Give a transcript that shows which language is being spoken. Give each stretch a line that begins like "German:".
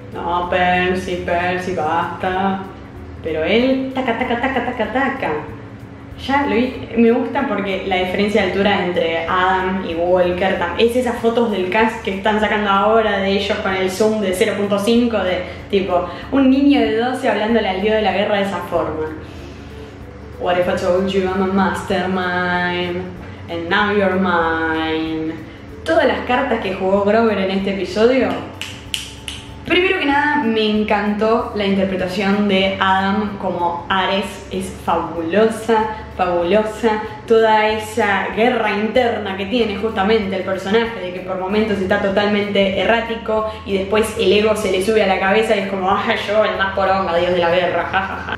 Spanish: No, Percy, basta. Pero él, taca, taca, taca, taca, taca. Ya, Luis, me gusta porque la diferencia de altura entre Adam y Walker, es esas fotos del cast que están sacando ahora de ellos con el zoom de 0.5, de tipo, un niño de 12 hablándole al dios de la guerra de esa forma.
English: What if I told you I'm a mastermind? And now you're mine.
Spanish: Todas las cartas que jugó Grover en este episodio. Primero que nada, me encantó la interpretación de Adam como Ares. Es fabulosa, fabulosa. Toda esa guerra interna que tiene justamente el personaje, de que por momentos está totalmente errático y después el ego se le sube a la cabeza y es como, ah, yo el más poronga, dios de la guerra, jajaja.